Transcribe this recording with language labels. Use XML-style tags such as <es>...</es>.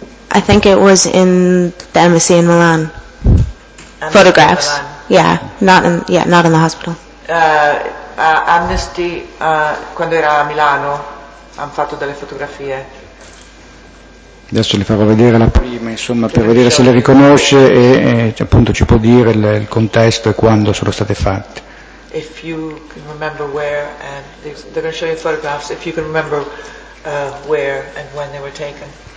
<en>I think it was in the embassy in Milan. Embassy photographs. In Milan. Yeah. Not in the hospital.</en> <it>Amnesty quando era a Milano hanno fatto delle fotografie. Adesso le farò vedere la prima, insomma, per vedere se le riconosce e appunto ci può dire il contesto e quando sono state fatte.</it> <en>If you can remember where and they're going to show you photographs, if you can remember where and when they were taken.</en>